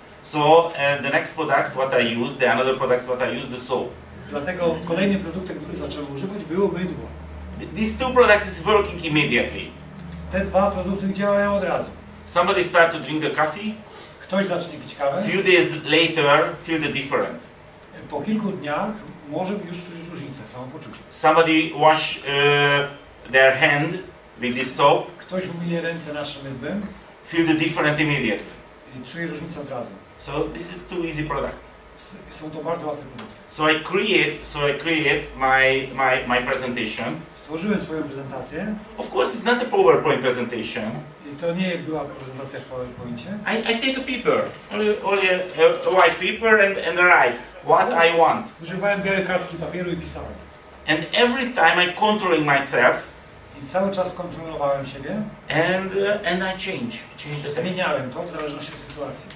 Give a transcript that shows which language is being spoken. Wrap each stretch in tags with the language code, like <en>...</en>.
<en>So the next products what I use, the another products what I use, the soap.</en> <pl>Dlatego kolejny produkt, który zacząłem używać, było mydło.</pl> <en>These two products is working immediately.</en> <pl>Te dwa produkty działają od razu.</pl> <en>Somebody start to drink the coffee.</en> <pl>Ktoś zacznie pić kawę.</pl> <en>Few days later feel the different.</en> <pl>Po kilku dniach może już czuć różnicę, samopoczucie.</pl> <en>Somebody wash their hand with this soap.</en> <pl>Ktoś umyje ręce naszym mydłem.</pl> <en>Feel the different immediately.</en> <pl>I czuję różnicę od razu.</pl> <en>So this is too easy product.</en> <pl>Są to bardzo łatwe produkty.</pl> <en>So I create my presentation.</en> <pl>Stworzyłem swoją prezentację.</pl> <en>Of course it's not a PowerPoint presentation.</en> <pl>I to nie była prezentacja w PowerPoincie.</pl> <en>I take a paper, only a white paper and write what I want.</en> <pl>Używałem białej kartki papieru i pisałem.</pl> <en>And every time I controlling myself.</en> <pl>I cały czas kontrolowałem siebie.</pl> <en>And I changed.</en> <pl>Zmieniałem to w zależności od sytuacji.</pl>